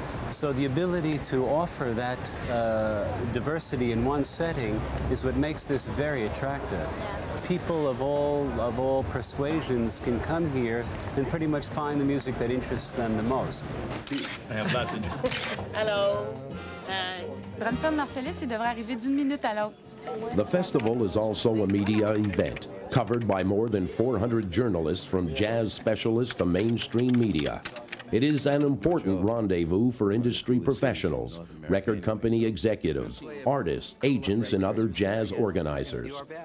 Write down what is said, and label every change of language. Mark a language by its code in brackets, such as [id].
[en] So the ability to offer that diversity in one setting is what makes this very attractive. People of all persuasions can come here and pretty much find the music that interests them the most. I have nothing. Hello. [fr] Brunton Marcellus, il devrait arriver d'une minute à l'autre. [en] The festival is also a media event, covered by more than 400 journalists from jazz specialists to mainstream media. It is an important rendezvous for industry professionals, record company executives, artists, agents, and other jazz organizers.